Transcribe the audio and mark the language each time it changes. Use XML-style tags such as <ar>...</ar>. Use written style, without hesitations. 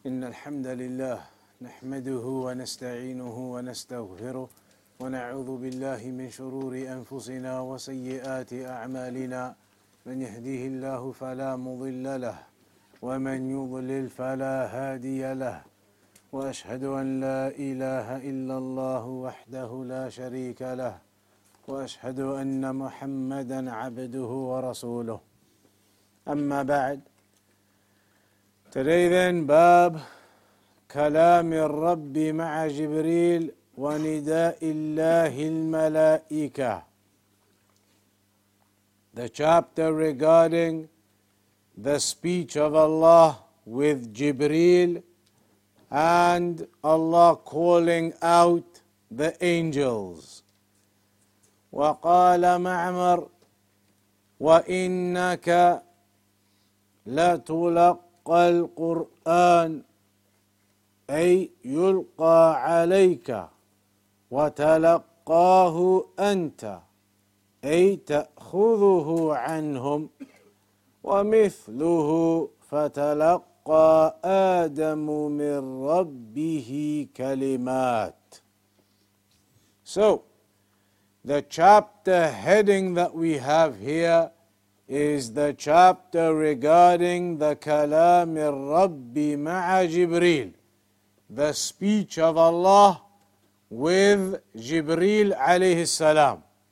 <ar>إن الحمد لله نحمده ونستعينه ونستغفره ونعوذ بالله من شرور أنفسنا وسيئات أعمالنا من يهديه الله فلا مضل له ومن يضلل فلا هادي له وأشهد أن لا إله إلا الله وحده لا شريك له وأشهد أن محمدا عبده ورسوله أما بعد.</ar> <en>Today then,</en> <ar>باب كلام الرب مع جبريل ونداء الله الملائكة.</ar> <en>The chapter regarding the speech of Allah with Jibreel and Allah calling out the angels.</en> <ar>وقال معمر وإنك لتلقى القرآن أي يلقى عليك وتلقاه أنت أي تأخذه عنهم ومثله فتلقى آدم من ربه كلمات.</ar> <en>So the chapter heading that we have here is the chapter regarding the Kalam al-Rabbi Ma'a Jibreel, the speech of Allah with Jibreel alayhi salam.</en>